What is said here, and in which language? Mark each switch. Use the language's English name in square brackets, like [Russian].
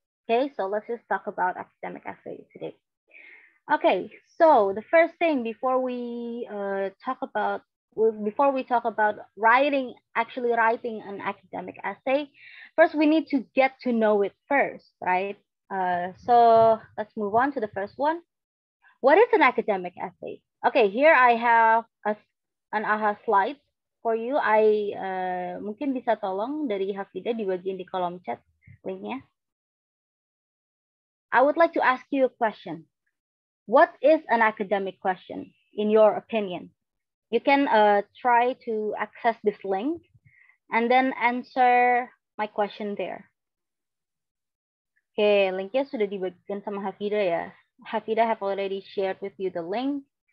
[English] Okay, so let's just talk about academic essay today. Okay, so the first thing before we talk about writing an academic essay, first we need to get to know it first, right? So let's move on to the first one. What is an academic essay? Okay, here I have an AHA slide for you. [Indonesian] I mungkin bisa tolong dari Hafida dibagiin di kolom chat linknya. [English] I would like to ask you a question. What is an academic question in your opinion? You can try to access this link and then answer my question there. Okay, linknya sudah dibagikan sama Hafida ya. Hafida have already shared with you the link.